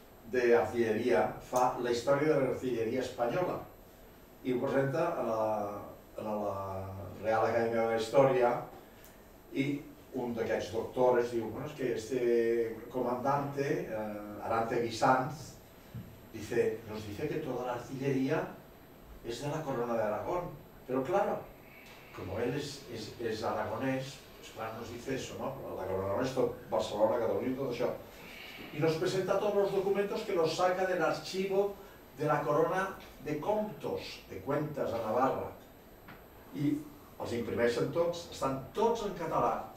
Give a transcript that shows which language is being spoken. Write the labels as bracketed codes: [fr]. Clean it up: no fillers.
[ca] de artilleria, fa la història de l'artilleria espanyola i ho presenta a la Real Acadèmia de la Història i un d'aquests doctores diu, bueno, és que [es] este comandante, Arantegui Sanz, nos dice que toda la artillería es de la corona de Aragón. Pero claro, como él es aragonés, pues claro, nos dice eso, ¿no? La corona de Aragón, Barcelona, Catalunya, [ca] tot això. [es] Y nos presenta todos los documentos que los saca del archivo de la corona de comptos, de cuentas a Navarra. Y los imprimeixen todos, están todos en catalán.